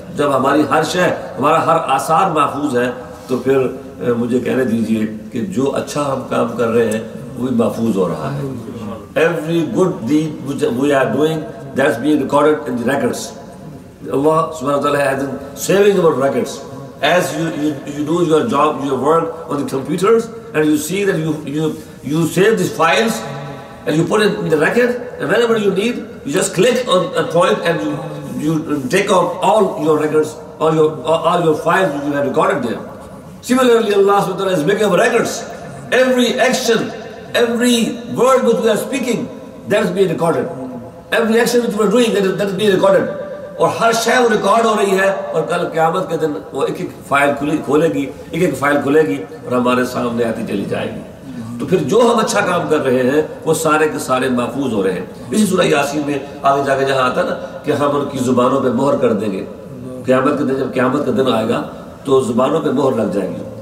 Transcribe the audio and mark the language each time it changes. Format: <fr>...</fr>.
<ur>جب ہماری ہر شے, ہمارا ہر آثار محفوظ ہے, تو پھر مجھے کہنے دیجئے کہ جو اچھا ہم کام کر رہے ہیں وہ بھی محفوظ ہو رہا ہے.</ur> <en>Every good deed we are doing that's be recorded in the records. اللہ سبحانہ وتعالیٰ has been saving our records. As you do your job, your work on the computers, and you see that you save these files and you put it in the record, and whenever you need, you just click on a point and you take out all your records, all your files you have recorded there. Similarly, Allah subhanahu wa ta'ala is making up records. Every action, every word which we are speaking, that is being recorded. Every action which we are doing, that is being recorded.</en> <ur>اور ہر شے وہ record ہو رہی ہے, اور کل قیامت کے دن وہ ایک ایک فائل کھولے گی, ایک ایک فائل کھلے گی اور ہمارے سامنے آتی چلی جائے گی. تو پھر جو ہم اچھا کام کر رہے ہیں وہ سارے کے سارے محفوظ ہو رہے ہیں. اسی سورہ یاسین میں آگے جا کے جہاں آتا نا کہ ہم ان کی زبانوں پہ مہر کر دیں گے, قیامت کے دن جب قیامت کا دن آئے گا تو زبانوں پہ مہر لگ جائے گی.</ur>